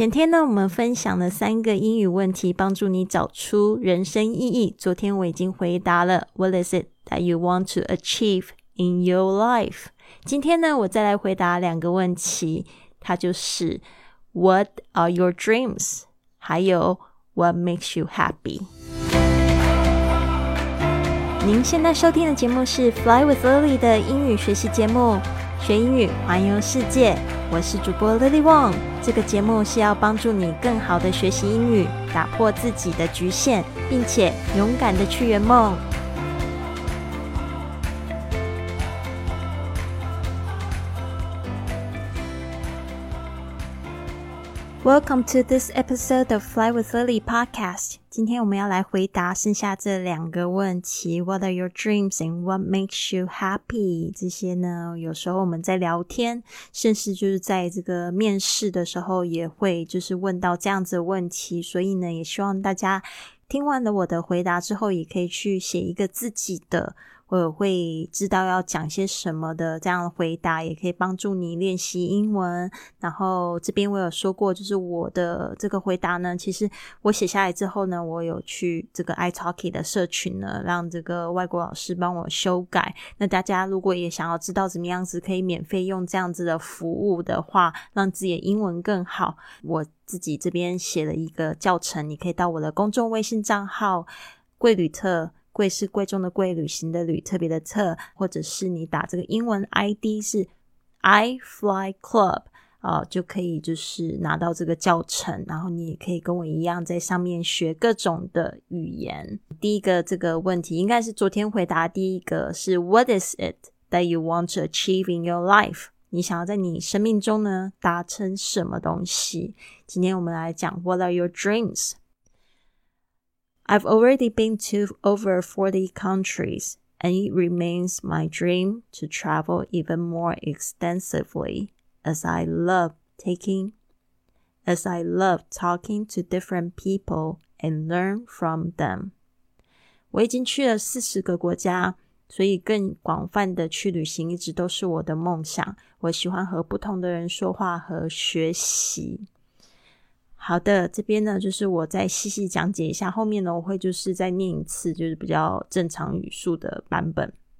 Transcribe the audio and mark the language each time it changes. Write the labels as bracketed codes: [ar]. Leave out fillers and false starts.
[zh] 今天呢，我们分享了三个英语问题，帮助你找出人生意义。昨天我已经回答了 [en] What is it that you want to achieve in your life? [zh] 今天呢，我再来回答两个问题，它就是 [en] What are your dreams? 还有 What makes you happy? [zh] 您现在收听的节目是 Fly with Lily 的英语学习节目，学英语，环游世界。我是主播 Lily Wong， 这个节目是要帮助你更好的学习英语，打破自己的局限，并且勇敢的去圆梦。 [en] Welcome to this episode of Fly with Lily podcast. [zh] 今天我们要来回答剩下这两个问题 [en] What are your dreams and what makes you happy? [zh] 这些呢，有时候我们在聊天，甚至就是在这个面试的时候也会就是问到这样子的问题，所以呢，也希望大家听完了我的回答之后，也可以去写一个自己的，我会知道要讲些什么的这样的回答，也可以帮助你练习英文。然后这边我有说过，就是我的这个回答呢，其实我写下来之后呢，我有去这个 iTalki 的社群呢，让这个外国老师帮我修改。那大家如果也想要知道怎么样子可以免费用这样子的服务的话，让自己的英文更好，我自己这边写了一个教程，你可以到我的公众微信账号贵旅特，贵是贵重的贵，旅行的旅，特别的特，或者是你打这个英文 ID 是 iFlyClub、就可以就是拿到这个教程，然后你也可以跟我一样在上面学各种的语言。第一个这个问题应该是昨天回答，第一个是 [en] What is it that you want to achieve in your life? [zh] 你想要在你生命中呢达成什么东西？今天我们来讲 [en] What are your dreams? I've already been to over 40 countries, and it remains my dream to travel even more extensively as I love talking to different people and learn from them. [zh] 我已经去了40个国家，所以更广泛的去旅行一直都是我的梦想。我喜欢和不同的人说话和学习。好的，这边呢就是我再细细讲解一下，后面呢我会就是再念一次，就是比较正常语速的版本。